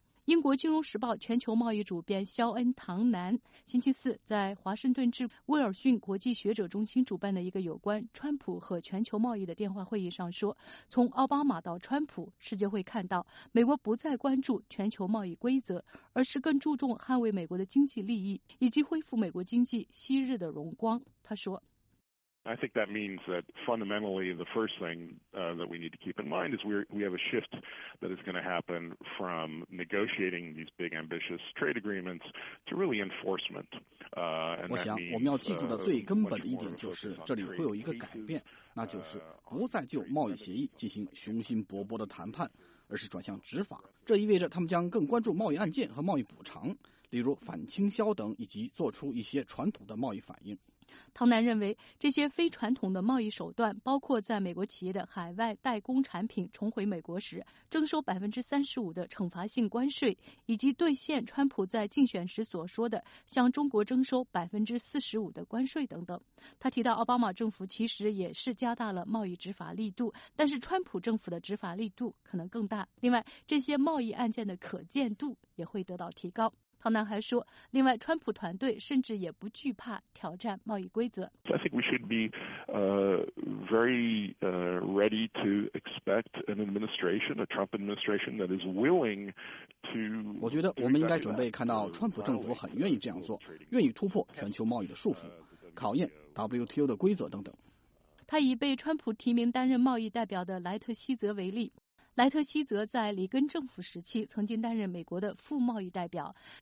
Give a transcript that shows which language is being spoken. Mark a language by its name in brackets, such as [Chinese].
[Chinese] 英国金融时报全球贸易主编肖恩·唐南星期四在华盛顿至威尔逊国际学者中心主办的一个有关川普和全球贸易的电话会议上说，从奥巴马到川普，世界会看到美国不再关注全球贸易规则，而是更注重捍卫美国的经济利益以及恢复美国经济昔日的荣光。他说， [English] I think that means that fundamentally the first thing that we need to keep in mind is we have a shift that is going to happen from negotiating these big ambitious trade agreements to really enforcement. [Chinese] 我想我们要记住的最根本的一点就是这里会有一个改变，那就是不再就贸易协议进行雄心勃勃的谈判，而是转向执法。这意味着他们将更关注贸易案件和贸易补偿，例如反倾销等，以及做出一些传统的贸易反应。唐南认为，这些非传统的贸易手段包括在美国企业的海外代工产品重回美国时征收35%的惩罚性关税，以及兑现川普在竞选时所说的向中国征收45%的关税等等。他提到，奥巴马政府其实也是加大了贸易执法力度，但是川普政府的执法力度可能更大。另外，这些贸易案件的可见度也会得到提高。唐南还说，另外，川普团队甚至也不惧怕挑战贸易规则。 [English] I think we should be very ready to expect an administration, a Trump administration that is willing to. [Chinese] 我觉得我们应该准备看到川普政府很愿意这样做，愿意突破全球贸易的束缚，考验 WTO 的规则等等。他以被川普提名担任贸易代表的莱特希泽为例。莱特希泽在里根政府时期曾经担任美国的副贸易代表。